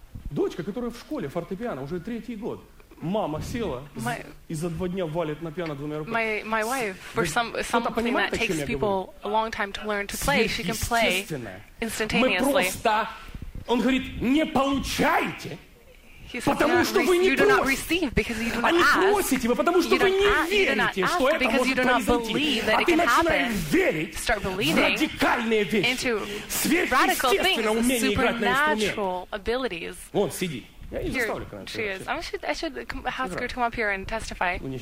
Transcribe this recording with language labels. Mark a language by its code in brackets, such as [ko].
[ru] Дочка, которая в школе фортепиано уже третий год. Мама села и за два дня валит на пиано двумя руками. [en] My wife, for something that takes people a long time to learn to play, she can play instantaneously. [ru] Мы просто, он говорит, не получайте, потому что вы не просите. [en] You do not [ru] а не просите вы, потому что вы не верите, что это может произойти. А ты начинаешь верить в радикальные вещи, сверхъестественное умение играть на инструменте. Вон, сиди. [en] Here she is. I should ask her to come up here and testify.